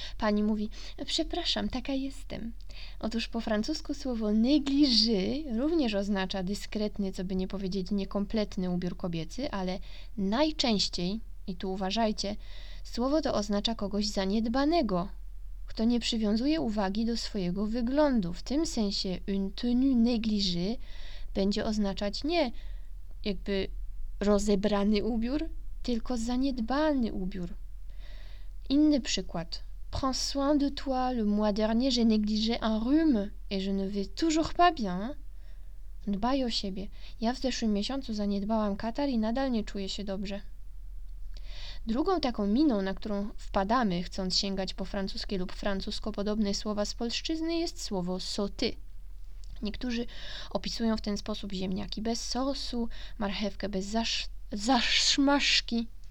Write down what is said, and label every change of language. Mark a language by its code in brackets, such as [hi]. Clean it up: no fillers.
[pl] Pani mówi: przepraszam, taka jestem. Otóż po francusku słowo négligé również oznacza dyskretny, co by nie powiedzieć niekompletny ubiór kobiecy, ale najczęściej, i tu uważajcie, słowo to oznacza kogoś zaniedbanego, kto nie przywiązuje uwagi do swojego wyglądu. W tym sensie [fr] une tenue négligée [pl] będzie oznaczać nie jakby rozebrany ubiór, tylko zaniedbany ubiór. Inny przykład. [fr] Prends soin de toi, le mois dernier j'ai négligé un rhume et je ne vais toujours pas bien. [pl] Dbaj o siebie. Ja w zeszłym miesiącu zaniedbałam katar i nadal nie czuję się dobrze. Drugą taką miną, na którą wpadamy, chcąc sięgać po francuskie lub francuskopodobne słowa z polszczyzny, jest słowo sauté. Niektórzy opisują w ten sposób ziemniaki bez sosu, marchewkę bez zaszmaszki.